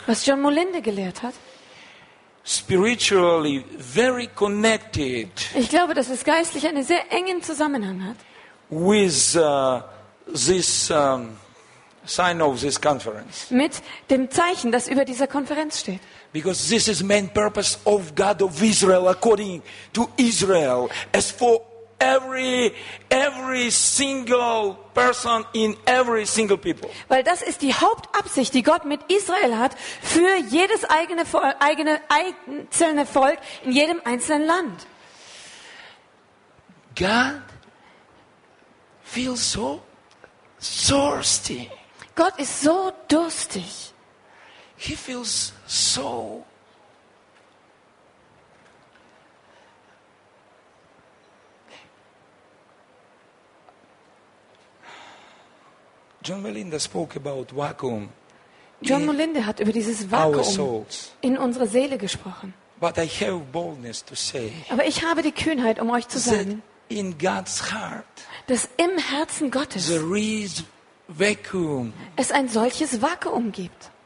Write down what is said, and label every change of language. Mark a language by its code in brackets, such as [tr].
[de] Was John Molinda gelehrt hat. [en] Spiritually very connected. [de] Ich glaube, dass es geistlich einen sehr engen Zusammenhang hat. [en] With this. Sign of this conference. [de] Mit dem Zeichen, das über dieser Konferenz steht. [en] Because this is main purpose of God of Israel according to Israel, as for every single person in every single people. [de] Weil das ist die Hauptabsicht, die Gott mit Israel hat, für jedes einzelne Volk in jedem einzelnen Land. [en] God feels so thirsty. [de] Gott ist so durstig. [en] He feels so John Molinda spoke about vacuum. [de] John Molinda hat über dieses Vakuum in unsere Seele gesprochen. [en] But I have boldness to say. [de] Aber ich habe die Kühnheit, um euch zu sagen, [en] in God's heart, [de] dass im Herzen Gottes [en] there is Vacuum, [de] es ein solches Vakuum gibt,